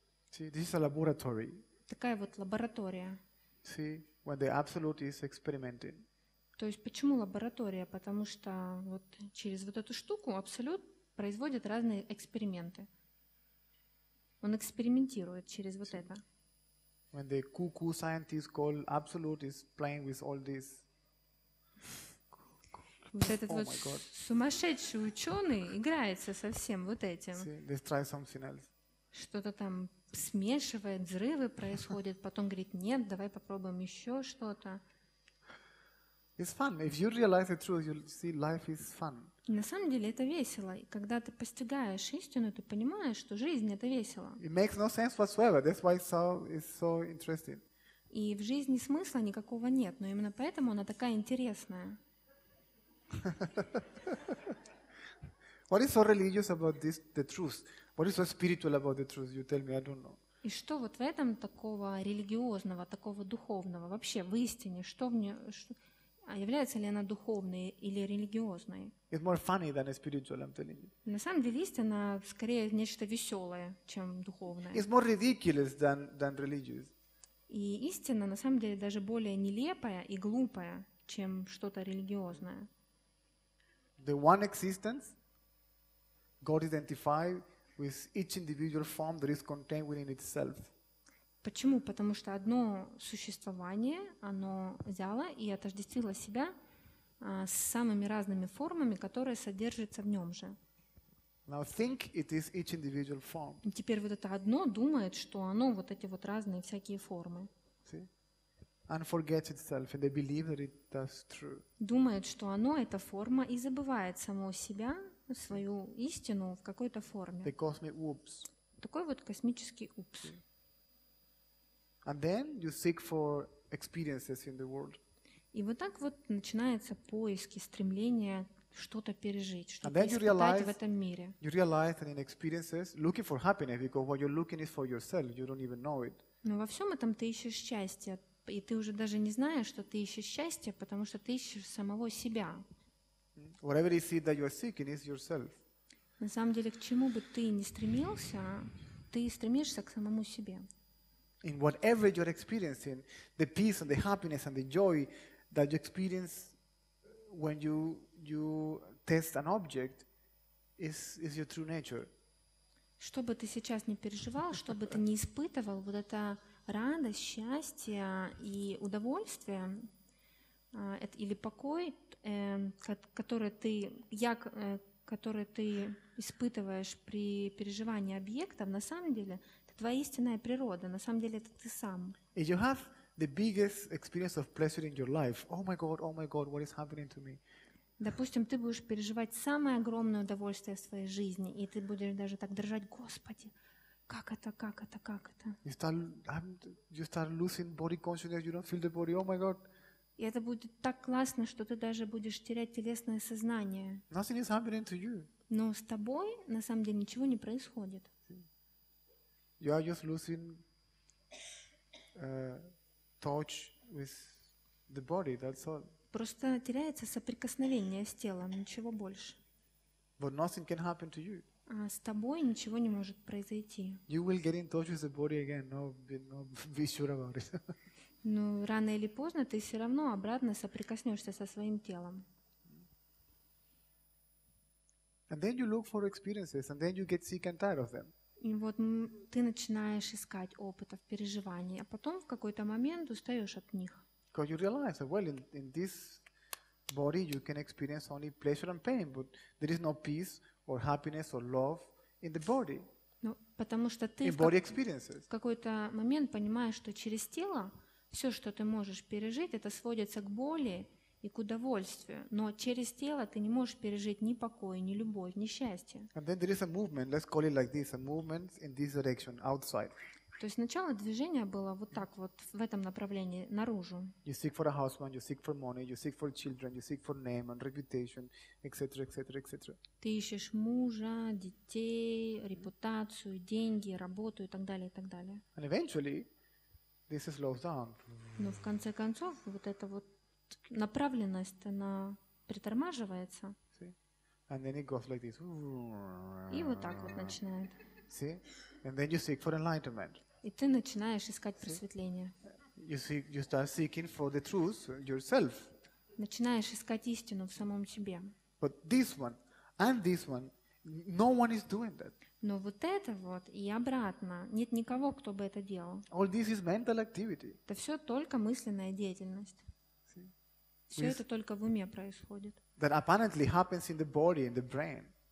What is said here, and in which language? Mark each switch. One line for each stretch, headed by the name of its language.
English: See, this is a laboratory.
Russian: Такая вот лаборатория.
English: See, when the absolute is experimenting.
Russian: То есть почему лаборатория? Потому что вот через вот эту штуку абсолют производит разные эксперименты. Он экспериментирует через вот это.
English: When the cuckoo scientist called absolute is playing with all this.
Russian: Вот этот вот сумасшедший ученый играется со всем вот этим.
English: See, let's try something else.
Russian: Что-то там смешивает, взрывы происходят, потом говорит, нет, давай попробуем еще что-то.
English: It's fun. If you realize the truth, you'll see life is fun.
Russian: На самом деле это весело. И когда ты постигаешь истину, ты понимаешь, что жизнь — это весело.
English: It makes no sense whatsoever. That's why it's so interesting.
Russian: И в жизни смысла никакого нет, но именно поэтому она такая интересная.
English: What is so religious about this, the truth? What is so spiritual about the truth? You tell me, I don't know.
Russian: И что вот в этом такого религиозного, такого духовного? Вообще, в истине, что в нем? А является ли она духовной или религиозной?
English: It's more funny than spiritual, I'm telling you.
Russian: На самом деле, истина скорее нечто веселое, чем духовное.
English: It's more ridiculous than religious.
Russian: И истина, на самом деле, даже более нелепая и глупая, чем что-то религиозное.
English: The one existence, God identified with each individual form that is contained within itself.
Russian: Почему? Потому что одно существование, оно взяло и отождествило себя с самыми разными формами, которые содержатся в нем же.
English: Now think it is each individual form.
Russian: И теперь вот это одно думает, что оно вот эти вот разные всякие формы.
English: See? And forgets itself, and they believe that it does true.
Russian: Думает, что оно эта форма и забывает само себя, свою истину в какой-то форме.
English: The cosmic oops.
Russian: Такой вот космический упс.
English: And then you seek for experiences in the world.
Russian: И вот так вот начинается поиски, стремление что-то пережить, что-то испытать в этом мире.
English: You realize that in experiences, looking for happiness, because what you're looking is for yourself, you don't even know it.
Russian: Но во всем этом ты ищешь счастье, и ты уже даже не знаешь, что ты ищешь счастье, потому что ты ищешь самого себя.
English: Whatever it is that you are seeking is yourself.
Russian: На самом деле, к чему бы ты ни стремился, ты стремишься к самому себе.
English: In whatever you're experiencing, the peace and the happiness and the joy that you experience when you test an object is your true nature.
Russian: Что бы ты сейчас ни переживал, что бы ты ни испытывал, вот эта радость, счастье и удовольствие, это, или покой, который ты испытываешь при переживании объектов, на самом деле твоя истинная природа, на самом деле это ты сам.
English: If you have the biggest experience of pleasure in your life, oh my God, what is happening to me?
Russian: Допустим, ты будешь переживать самое огромное удовольствие в своей жизни, и ты будешь даже так дрожать: Господи, как это, как это, как это?
English: You start losing body consciousness, you don't feel the body, oh my God.
Russian: И это будет так классно, что ты даже будешь терять телесное сознание.
English: Nothing is happening to you.
Russian: Но с тобой на самом деле ничего не происходит.
English: You are just losing touch with the body, that's all.
Russian: Просто теряется соприкосновение с телом, ничего больше.
English: But nothing can happen to you.
Russian: А с тобой ничего не может произойти.
English: You will get in touch with the body again. No, be sure about it.
Russian: Ну, рано или поздно ты все равно обратно соприкоснешься со своим телом.
English: And then you look for experiences, and then you get sick and tired of them.
Russian: И вот ты начинаешь искать опытов, переживаний, а потом в какой-то момент устаешь от них.
English: Because you realize that, well, in this body you can experience only pleasure and pain, but there is no peace or happiness or love in the body.
Russian: Ну, потому что ты в какой-то момент понимаешь, что через тело все, что ты можешь пережить, это сводится к боли и к удовольствию, но через тело ты не можешь пережить ни покой, ни любовь, ни счастье.
English: And then there is a movement, let's call it like this, a movement in this direction, outside.
Russian: То есть начало движения было вот так вот, в этом направлении, наружу.
English: You seek for a husband, you seek for money, you seek for children, you seek for name and reputation, etc., etc., etc.
Russian: Ты ищешь мужа, детей, репутацию, деньги, работу и так далее, и так далее.
English: And eventually, this slows down.
Russian: Но в конце концов, вот эта вот направленность, она притормаживается.
English: See? And then it goes like this.
Russian: И вот так вот начинает.
English: See? And then you seek for enlightenment.
Russian: И ты начинаешь искать просветление.
English: You start seeking for the truth yourself.
Russian: Начинаешь искать истину в самом себе.
English: But this one and this one, no one is doing that.
Russian: Но вот это вот и обратно, нет никого, кто бы это делал.
English: All this is mental activity.
Russian: Это все только мысленная деятельность.
English: See?
Russian: Все это только в уме происходит.
English: That apparently happens in the body, in the brain.